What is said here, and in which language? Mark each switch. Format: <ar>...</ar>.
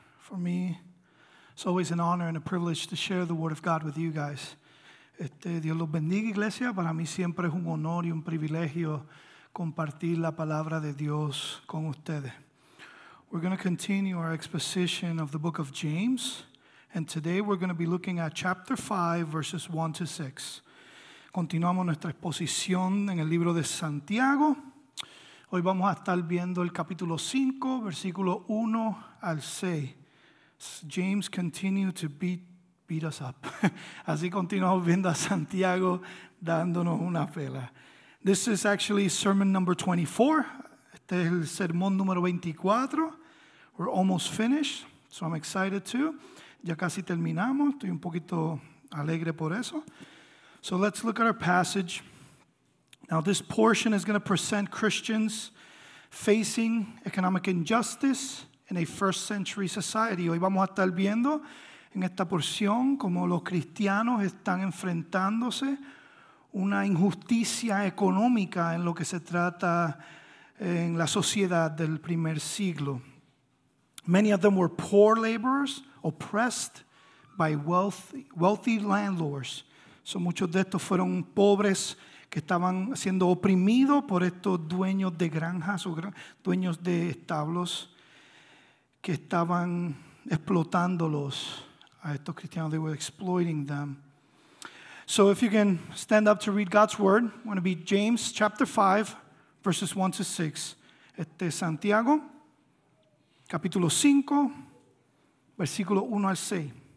<en>For me, it's always an honor and a privilege to share the word of God with you guys.</en> <es>Dios los bendiga, iglesia. Para mí siempre es un honor y un privilegio compartir la palabra de Dios con ustedes.</es> <en>We're going to continue our exposition of the book of James, and today we're going to be looking at chapter 5, verses 1 to 6.</en> <es>Continuamos nuestra exposición en el libro de Santiago. Hoy vamos a estar viendo el capítulo 5, versículo 1 al 6.</es> <en>James continue to beat us up.</en> <es>Así continuamos viendo a Santiago dándonos una pela.</es> <en>This is actually sermon number 24.</en> <es>Este es el sermón número 24.</es> <en>We're almost finished, so I'm excited too.</en> <es>Ya casi terminamos. Estoy un poquito alegre por eso.</es> <en>So let's look at our passage. Now, this portion is going to present Christians facing economic injustice in a first century society.</en> <es>Hoy vamos a estar viendo en esta porción cómo los cristianos están enfrentándose una injusticia económica en lo que se trata en la sociedad del primer siglo.</es> <en>Many of them were poor laborers oppressed by wealthy landlords.</en> <es>So muchos de estos fueron pobres que estaban siendo oprimidos por estos dueños de granjas o dueños de establos que estaban explotándolos a estos cristianos.</es> <en>They were exploiting them. So if you can stand up to read God's word, I'm going to be James chapter 5, verses 1 to 6.</en> <es>Santiago, capítulo 5, versículo 1 al 6.</es>